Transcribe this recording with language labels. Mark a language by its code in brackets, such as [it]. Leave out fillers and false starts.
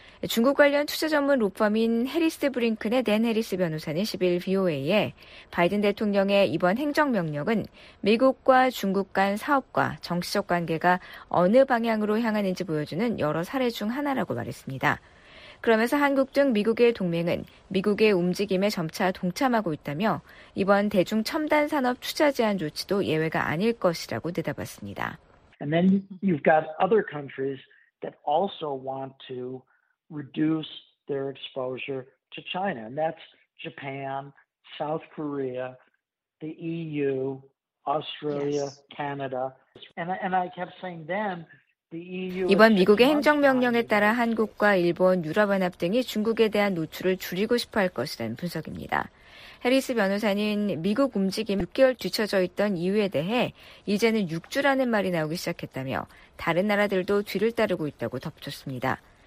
[ko] 중국 관련 투자 전문 로펌인 해리스 브링큰의 댄 해리스 변호사는 11일 VOA에 바이든 대통령의 이번 행정명령은 미국과 중국 간 사업과 정치적 관계가 어느 방향으로 향하는지 보여주는 여러 사례 중 하나라고 말했습니다. 그러면서 한국 등 미국의 동맹은 미국의 움직임에 점차 동참하고 있다며 이번 대중 첨단 산업 투자 제한 조치도 예외가 아닐 것이라고 내다봤습니다. [en] And then you've got other countries that also want to reduce their exposure to China, and that's Japan, South Korea, the EU, Australia, yes. Canada. And I kept saying then the EU. [ko] 이번 미국의 행정명령에 따라 한국과 일본, 유럽연합 등이 중국에 대한 노출을 줄이고 싶어할 것이라는 분석입니다. 해리스 변호사는 미국 움직임 6개월 뒤쳐져 있던 이유에 대해 이제는 6주라는 말이 나오기 시작했다며 다른 나라들도 뒤를 따르고 있다고 덧붙였습니다.